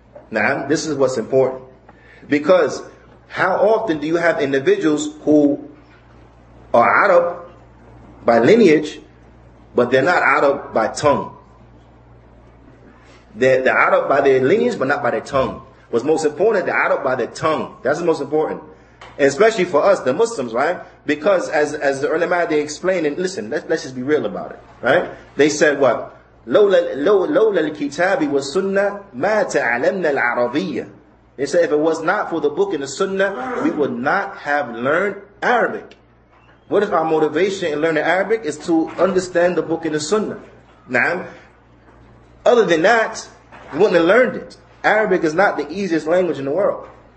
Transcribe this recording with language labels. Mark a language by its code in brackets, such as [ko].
[en] Now, this is what's important. Because how often do you have individuals who are Arab by lineage, but they're not Arab by tongue? The Arab by their lineage, but not by their tongue. What's most important, the Arab by their tongue. That's the most important. especially for us, the Muslims, right? Because as the ulama, they explain, and listen, let's just be real about it, right? They said what? [ar] لولا الكتاب والسنة ما تعلمنا العربية. [en] They said if it was not for the book and the sunnah, we would not have learned Arabic. What if our motivation in learning Arabic is to understand the book and the sunnah? Now, other than that, we wouldn't have learned it. Arabic is not the easiest language in the world.